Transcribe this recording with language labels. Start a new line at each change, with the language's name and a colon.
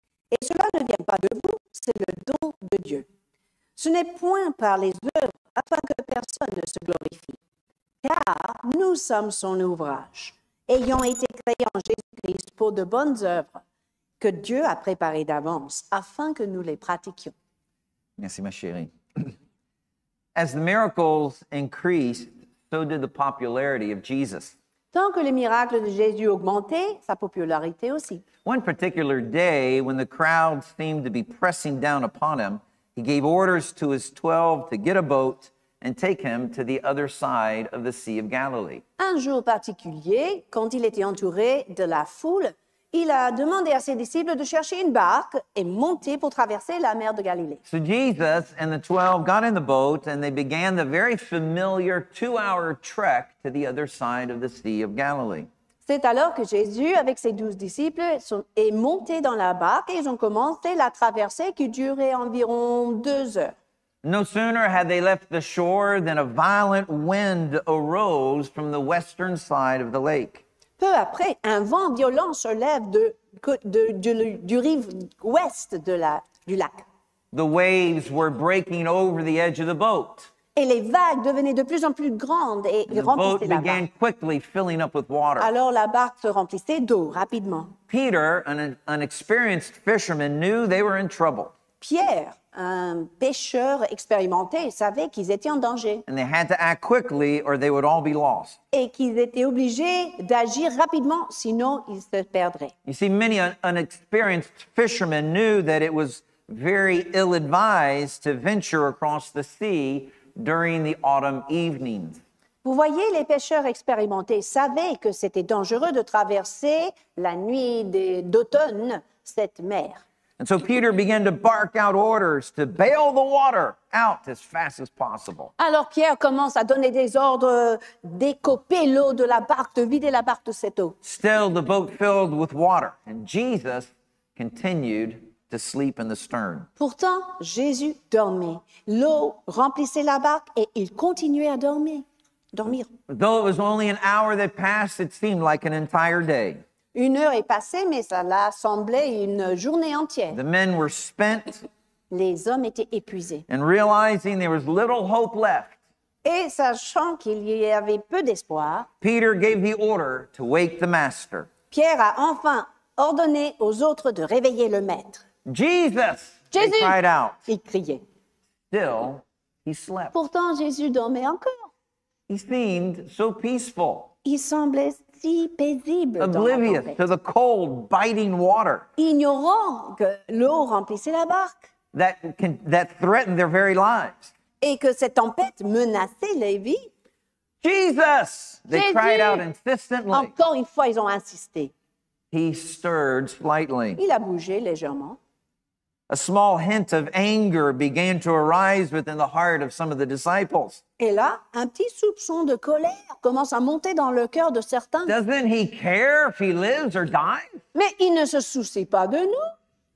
French: Et cela ne vient pas de vous, c'est le don de Dieu. Ce n'est point par les œuvres, afin que personne ne se glorifie. Car nous sommes son ouvrage, ayant été créés en Jésus-Christ pour de bonnes œuvres, que Dieu a préparées d'avance, afin que nous les pratiquions. Merci, ma chérie.
English: As the miracles increased, so did the popularity of Jesus.
French: Tant que les miracles de Jésus augmentaient, sa popularité aussi.
English: One particular day, when the crowd seemed to be pressing down upon him, he gave orders to his 12 to get a boat and take him to the other side of the Sea of Galilee.
French: Un jour particulier, quand il était entouré de la foule, il a demandé à ses disciples de chercher une barque et monter pour traverser la mer de Galilée.
English: So Jesus and the 12 got in the boat and they began the very familiar two-hour trek to the other side of the Sea of Galilee.
French: C'est alors que Jésus, avec ses 12 disciples, est monté dans la barque et ils ont commencé la traversée qui durait environ 2 heures.
English: No sooner had they left the shore than a violent wind arose from the western side of the lake.
French: Peu après, un vent violent se lève du rive ouest de du lac.
English: The waves were breaking over the edge of the boat.
French: Et les vagues devenaient de plus en plus grandes et remplissaient la barque. Alors la barque se remplissait d'eau rapidement.
English: Peter, an experienced fisherman, knew they were in trouble.
French: Pierre, un pêcheur expérimenté, savait qu'ils étaient en danger.
English: And they had to act quickly or they would all be lost.
French: Et qu'ils étaient obligés d'agir rapidement, sinon ils se perdraient.
English: You see, many an experienced fisherman knew that it was very ill-advised to venture across the sea during the autumn evenings.
French: Vous voyez, les pêcheurs expérimentés savaient que c'était dangereux de traverser la nuit d'automne cette mer.
English: And so Peter began to bark out orders to bail the water out as fast as possible.
French: Alors Pierre commence à donner des ordres d'écoper l'eau de la barque, de vider la barque de cette eau.
English: Still, the boat filled with water, and Jesus continued to sleep in the stern.
French: Pourtant, Jésus dormait. L'eau remplissait la barque et il continuait à dormir.
English: Though it was only an hour that passed, it seemed like an entire day.
French: Une heure est passée, mais cela semblait une journée entière.
English: The men were spent.
French: Les hommes étaient épuisés.
English: And realizing there was little hope left.
French: Et sachant qu'il y avait peu d'espoir.
English: Peter gave the order to wake the master.
French: Pierre a enfin ordonné aux autres de réveiller le maître.
English: Jesus,
French: Jésus,
English: they cried out.
French: Il criait.
English: Still, he slept.
French: Pourtant, Jésus dormait encore.
English: He seemed so peaceful.
French: Il semblait si paisible.
English: Oblivious
French: dans la
English: to the cold, biting water.
French: Ignorant que l'eau remplissait la barque.
English: That threatened their very lives.
French: Et que cette tempête menaçait les vies.
English: Jesus, they
French: Jésus.
English: Cried out insistently.
French: Encore une fois, ils ont insisté.
English: He stirred slightly.
French: Il a bougé légèrement.
English: A small hint of anger began to arise within the heart of some of the disciples.
French: Et là, un petit soupçon de colère commence à monter dans le cœur de certains.
English: Doesn't he care if he lives or dies?
French: Mais il ne se soucie pas de nous.